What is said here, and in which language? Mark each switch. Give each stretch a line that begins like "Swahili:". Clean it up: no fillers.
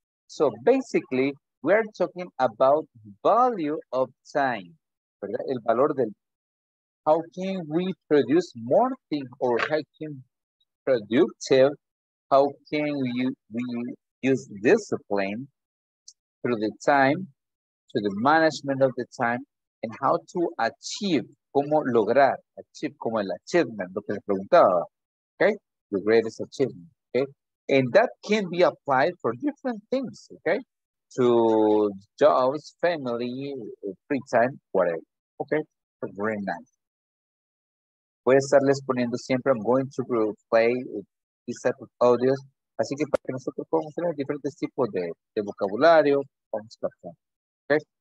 English: So basically, we're talking about value of time.
Spanish: ¿Verdad? El valor del.
English: How can we produce more things, or how can productive, how can we use discipline through the time, to the management of the time, and how to achieve.
Spanish: Cómo lograr, achieve, como el achievement, lo que le preguntaba, okay?
English: The greatest achievement, okay? And that can be applied for different things, okay? To jobs, family, free time, whatever, okay? So very nice.
Spanish: Voy a estarles poniendo siempre,
English: I'm going to play these type of audios,
Spanish: así que para que nosotros podamos tener diferentes tipos de vocabulario, vamos a captar, okay?